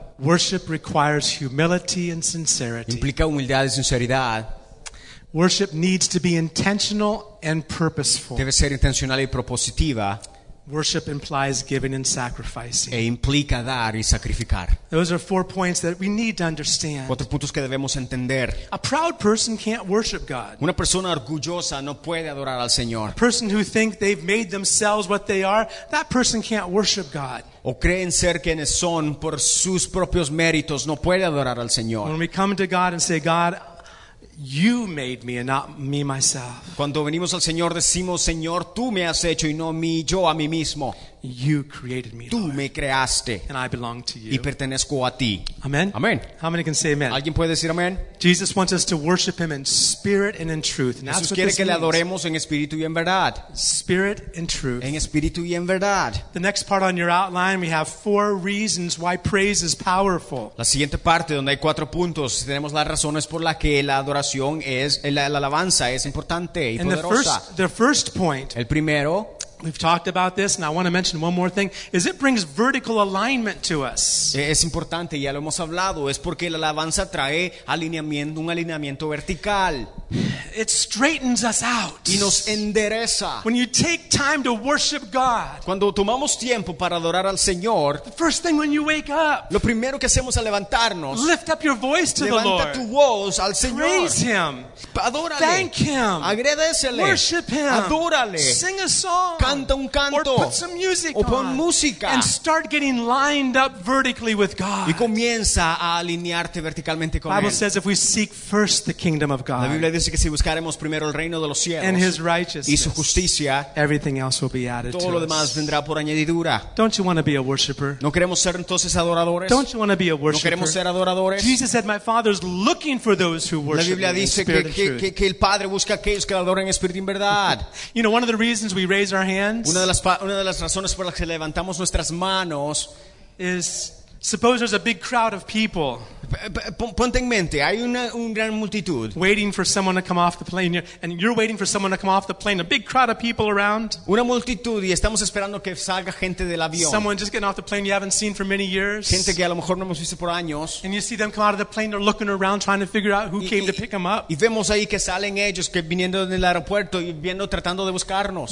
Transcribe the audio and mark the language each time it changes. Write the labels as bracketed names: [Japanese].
[English] Worship requires humility and sincerity. [Spanish] Implica humildad y sinceridad. [English] Worship needs to be intentional and purposeful. [Spanish] Debe ser intencional y propositiva. [English] Worship implies giving and sacrificing. [Spanish] E implica dar y sacrificar. [English] Those are four points that we need to understand. [Spanish] Cuatro puntos que debemos entender. [English] A proud person can't worship God. [Spanish] Una persona orgullosa no puede adorar al Señor. [English] A person who thinks they've made themselves what they are, that person can't worship God. [Spanish] O creen ser quienes son por sus propios méritos, no puede adorar al Señor. [English] When we come to God and say, God, you made me and not me myself. [Spanish] Cuando venimos al Señor decimos, Señor, tú me has hecho y no mi yo a mí mismo. [English] You created me. [Spanish] Tú me creaste. [English] And I belong to you. [Spanish] Y pertenezco a ti. [English] Amen. [Spanish] Amen. [English] How many can say amen? [Spanish] ¿Alguien puede decir amén? [English] Jesus wants us to worship him in spirit and in truth. And [Spanish] Jesús quiere que le adoremos en espíritu y en verdad. [English] Spirit and truth. [Spanish] En espíritu y en verdad. [English] The next part on your outline, we have four reasons why praise is powerful. [Spanish] La siguiente parte donde hay cuatro puntos, tenemos las razones por las que la adoración es la alabanza es importante y poderosa. [English] And the first point. [Spanish] El primero. [English] We've talked about this, and I want to mention one more thing. Is it brings vertical alignment to us? [Spanish] Es importante, ya lo hemos hablado. Es porque la alabanza trae alineamiento, un alineamiento vertical. [English] It straightens us out. [Spanish] Y nos endereza. [English] When you take time to worship God. [Spanish] Cuando tomamos tiempo para adorar al Señor. [English] The first thing when you wake up. [Spanish] Lo primero que hacemos al levantarnos. [English] Lift up your voice to the Lord. [Spanish] Levanta tu voz al Señor. [English] Praise Him. [Spanish] Adórale. [English] Thank Him. [Spanish] Agradécele. [English] Worship Him. [Spanish] Adórale. [English] Sing a song. [Spanish] Canta un canto. [English] Or put some music on. [Spanish] O pon música. [English] And start getting lined up vertically with God. [Spanish] Y comienza a alinearte verticalmente con [English] Él. Bible says if we seek first the kingdom of God. [Spanish] La Biblia dice que si buscaremos primero el reino de los cielos y su justicia, [English] everything else will be added [Spanish] todo lo demás vendrá por añadidura. [English] Don't you want to be a worshipper? [Spanish] ¿No queremos ser entonces adoradores? [English] Don't you want to be a worshipper? [Spanish] ¿No queremos ser adoradores? [English] Jesus said, my Father's looking for those who worship. [Spanish] La Biblia dice que el Padre busca a aquellos que adoran en espíritu y en verdad. [English] You know, one of the reasons we raise our hands, [Spanish] una de las razones por las que levantamos nuestras manos [English] is Suppose there's a big crowd of people. [Spanish] Ponte en mente, hay una gran multitud. [English] Waiting for someone to come off the plane, and you're waiting for someone to come off the plane. A big crowd of people around. [Spanish] Una multitud y estamos esperando que salga gente del avión. [English] Someone just getting off the plane you haven't seen for many years. [Spanish] Gente que a lo mejor no hemos visto por años. [English] And you see them come out of the plane, they're looking around trying to figure out who came to pick them up. [Spanish] Y vemos ahí que salen ellos que viniendo del aeropuerto y viendo tratando de buscarnos.